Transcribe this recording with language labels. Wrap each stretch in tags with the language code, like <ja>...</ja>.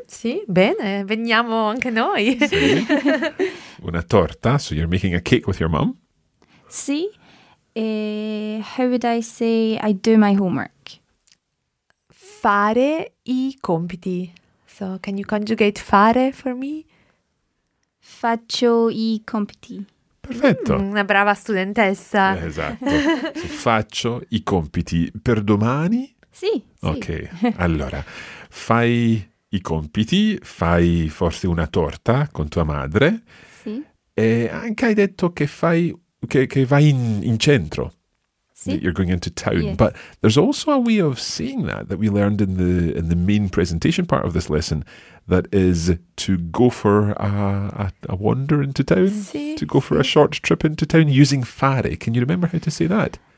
<it>Sì, bene, veniamo anche noi. Sì. Una torta,</it> <en>so you're making a cake with your mom?</en> <it>Sì, e</it> <en>how would I say I do my homework?</en> <it>Fare i compiti.</it> <en>So can you conjugate fare for me?</en> <it>Faccio i compiti. Perfetto. Una brava studentessa. Esatto. Faccio i compiti per domani? Sì. Ok. Sì. Allora, fai i compiti, fai forse una torta con tua madre. Sì. E anche hai detto che vai in centro. sì.</it> <en>that you're going into town. Yes. But there's also a way of saying that that we learned in the main presentation part of this lesson, that is to go for a wander into town,</en> <it>sì,</it> <en>to go for</en> <it>sì.</it> <en>a short trip into town using fare. Can you remember how to say that?</en>